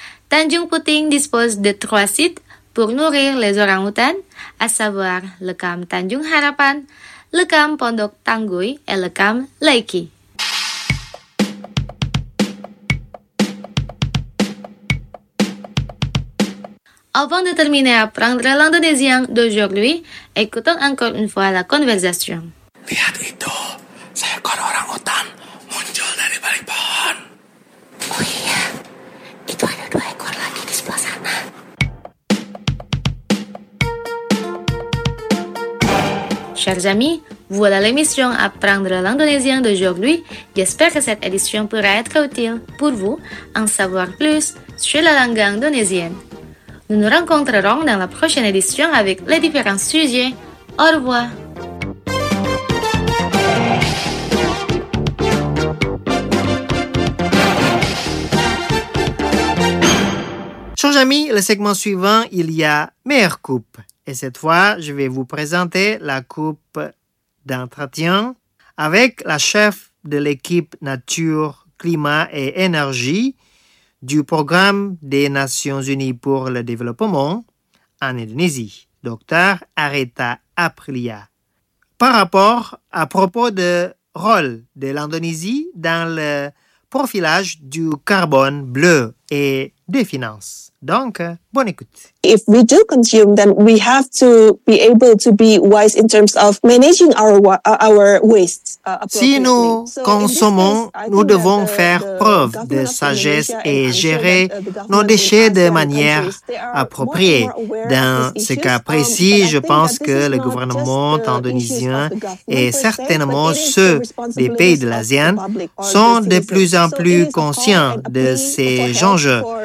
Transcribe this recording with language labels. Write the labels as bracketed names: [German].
[French] Tanjung Puting dispose de 3 sites pour nourrir les orang-outans, à savoir le camp Tanjung Harapan, le camp Pondok Tangguy et le camp Leiki. Avant de terminer à apprendre l'indonésien d'aujourd'hui, écoutons encore une fois la conversation. [Indonesian] Lihat itu. Seekor orang-utan muncul dari balik pohon. Oh iya, itu ada 2 ekor lagi di sebelah sana. [French] Chers amis, voilà l'émission Apprendre l'indonésien d'aujourd'hui. J'espère que cette édition pourra être utile pour vous en savoir plus sur la langue indonésienne. Nous nous rencontrerons dans la prochaine édition avec les différents sujets. Au revoir. Chers amis, le segment suivant, il y a meilleure coupe. Et cette fois, je vais vous présenter la coupe d'entretien avec la chef de l'équipe Nature, Climat et Énergie du programme des Nations Unies pour le Développement en Indonésie, Dr. Areta Aprilia. Par rapport à propos de rôle de l'Indonésie dans le profilage du carbone bleu et des finances. Donc, bonne écoute. [English] If we do consume, then we have to be able to be wise in terms of managing our wastes. [French] Si nous consommons, nous devons faire preuve de sagesse et gérer nos déchets de manière appropriée. Dans ce cas précis, je pense que le gouvernement indonésien et certainement ceux des pays de l'ASEAN sont de plus en plus conscients de ces enjeux.